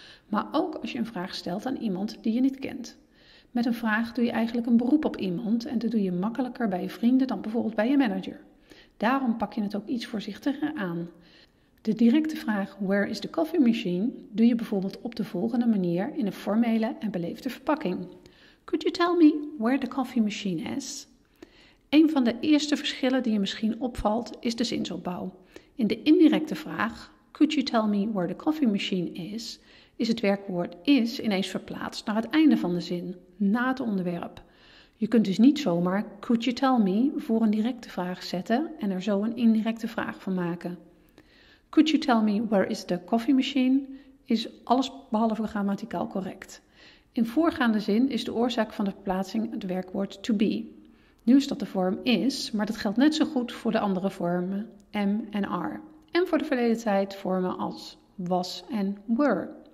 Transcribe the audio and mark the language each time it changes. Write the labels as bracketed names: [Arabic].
[Dutch] Maar ook als je een vraag stelt aan iemand die je niet kent. Met een vraag doe je eigenlijk een beroep op iemand en dat doe je makkelijker bij je vrienden dan bijvoorbeeld bij je manager. Daarom pak je het ook iets voorzichtiger aan. De directe vraag Where is the coffee machine? Doe je bijvoorbeeld op de volgende manier in een formele en beleefde verpakking. [English] Could you tell me where the coffee machine is? [Dutch] Een van de eerste verschillen die je misschien opvalt is de zinsopbouw. In de indirecte vraag Could you tell me where the coffee machine is? Is het werkwoord is ineens verplaatst naar het einde van de zin, na het onderwerp. Je kunt dus niet zomaar could you tell me voor een directe vraag zetten en er zo een indirecte vraag van maken. [English] Could you tell me where is the coffee machine? [Dutch] Is alles behalve grammaticaal correct. In voorgaande zin is de oorzaak van de verplaatsing het werkwoord to be. Nu is dat de vorm is, maar dat geldt net zo goed voor de andere vormen am en are. En voor de verleden tijd vormen als was en were.